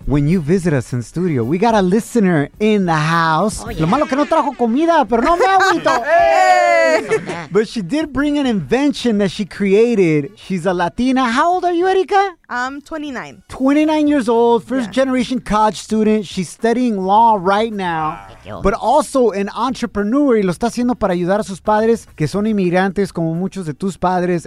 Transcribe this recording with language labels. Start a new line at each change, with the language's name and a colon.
English: When you visit us in studio, we got a listener in the house. Oh, yeah.
Spanish: Lo malo que no trajo comida, pero no me aguito.
English: Hey. But she did bring an invention that she created. She's a Latina. How old are you, Erika? I'm 29. 29 years old, first yeah. generation college student. She's studying law right now. But also an entrepreneur.
Spanish: Y lo está haciendo para ayudar a sus padres que son inmigrantes como muchos de tus padres.